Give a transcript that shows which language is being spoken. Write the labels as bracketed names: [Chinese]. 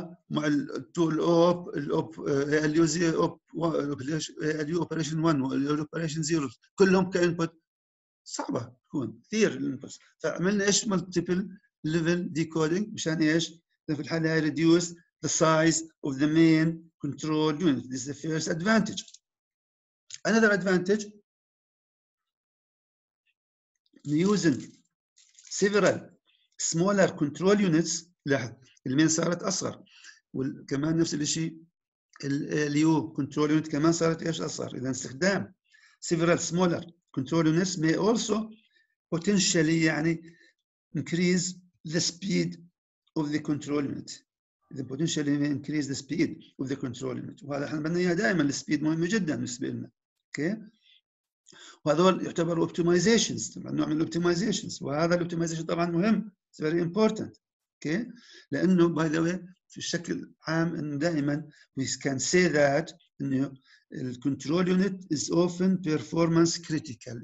[English] مع ال tool op ال op ALU op ALU operation 1 وال operation 0 كلهم ك input [Arabic] صعبة تكون كثير الانبوتس فعملنا ايش [English] مالتيبل ليفل ديكودينج مشان ايش؟ في الحالة هاي ريديوس ذا سايز اوف ذا مين كنترول يونت ذيس ذا فيرست ادفانتج انذر ادفانتج يوزن سيفرال smaller control units [Arabic] لاحظ المين صارت اصغر، وكمان نفس الشيء الاليو control unit كمان صارت ايش اصغر. اذا استخدام [English] several smaller control units may also potentially يعني increase the speed of the control unit. The potential may increase the speed of the control unit. [Arabic] وهذا احنا بدنا اياه دائما، السبيد مهمه جدا بالنسبه لنا. اوكي؟ وهذول يعتبروا optimizations، نوع من optimizations، وهذا الoptimization طبعا مهم، [English] it's very important. Okay? لانه by the way [Arabic] في الشكل عام انه دائما [English] we can say that انه الكنترول unit is often performance critical.